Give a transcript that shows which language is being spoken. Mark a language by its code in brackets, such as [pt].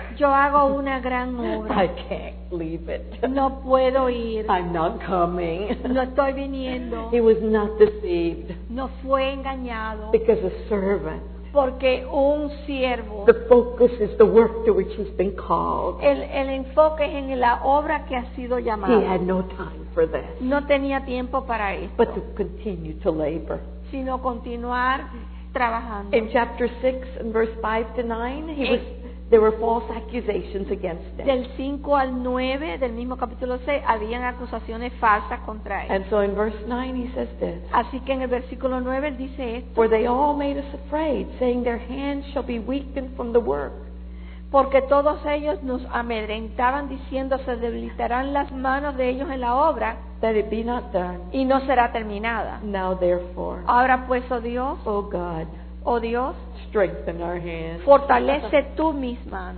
[es] Yo hago una gran obra. [en] I can't leave it. [es] No puedo ir. [en] I'm not coming. [es] No estoy viniendo. [en] He was not deceived. [es] No fue engañado. [en] Because a servant. [es] Porque un siervo. [en] The focus is the work to which he's been called. [es] El enfoque es en la obra que ha sido llamado. [en] He had no time for this. [es] No tenía tiempo para esto. [en] But to continue to labor. [es] Sino continuar trabajando. [en] In chapter 6 and verse 5 to 9, there were false accusations against them. [es] Del 5 al 9 del mismo capítulo 6 habían acusaciones falsas contra él. [en] And so in verse 9 he says this. [es] Así que en el versículo 9 él dice esto. [en] For they all made us afraid, saying their hands shall be weakened from the work. [es] Porque todos ellos nos amedrentaban diciendo se debilitarán las manos de ellos en la obra. [en] That it be not done. [es] Y no será terminada. [en] Now therefore. [es] Ahora pues, oh Dios. [en] Oh God. [es] Oh Dios. [en] Strengthen our hands. [es] Fortalece tú mis manos.